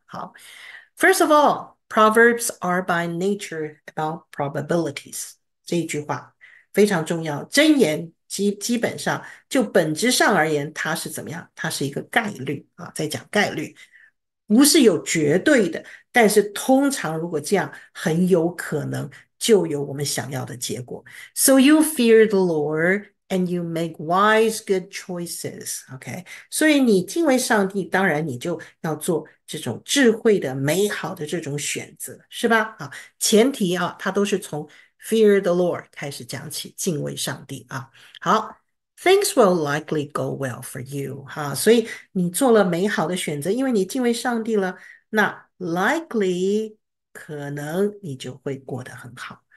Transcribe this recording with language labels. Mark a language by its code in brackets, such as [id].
[en] 好，First of all, proverbs are by nature about probabilities。 [zh] 这一句话非常重要。箴言基本上就本质上而言，它是怎么样？它是一个概率啊，在讲概率，不是有绝对的。但是通常如果这样，很有可能就有我们想要的结果。 [en] So you fear the Lord and you make wise good choices. [zh] OK，所以你敬畏上帝，当然你就要做这种智慧的、美好的这种选择，是吧？啊，前提啊，它都是从 [en] Fear the Lord [zh] 开始讲起，敬畏上帝啊。好， [en] things will likely go well for you [zh] 哈，所以你做了美好的选择，因为你敬畏上帝了，那 likely 可能你就会过得很好。